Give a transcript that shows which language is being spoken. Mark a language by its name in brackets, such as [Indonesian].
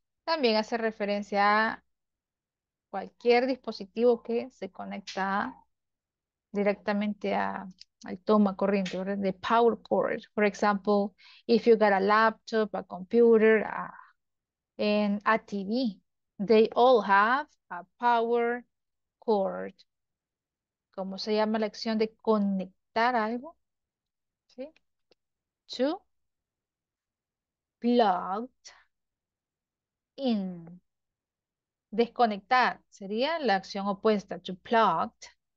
[Spanish] También hace referencia a cualquier dispositivo que se conecta directamente al toma corriente, ¿verdad? [English] The power cord. For example, if you got a laptop, a computer, and a TV, they all have a power cord. [Spanish] ¿Cómo se llama la acción de conectar algo? [English] ¿Sí? To plugged in. [Spanish] Desconectar sería la acción opuesta. [English] To plugged.